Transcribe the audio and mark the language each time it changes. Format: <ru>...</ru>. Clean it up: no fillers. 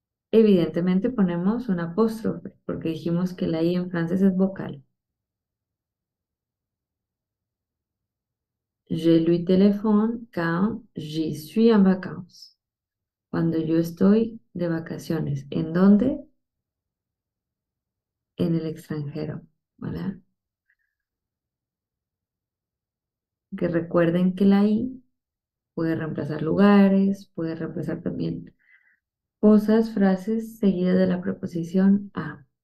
<es>Evidentemente ponemos un apóstrofe porque dijimos que la I en francés es vocal.</es> <fr>Je lui téléphone quand j'y suis en vacances.</fr> <es>Cuando yo estoy de vacaciones. ¿En dónde? En el extranjero. ¿Vale? Que recuerden que la I puede reemplazar lugares, puede reemplazar también cosas, frases seguidas de la preposición a.</es>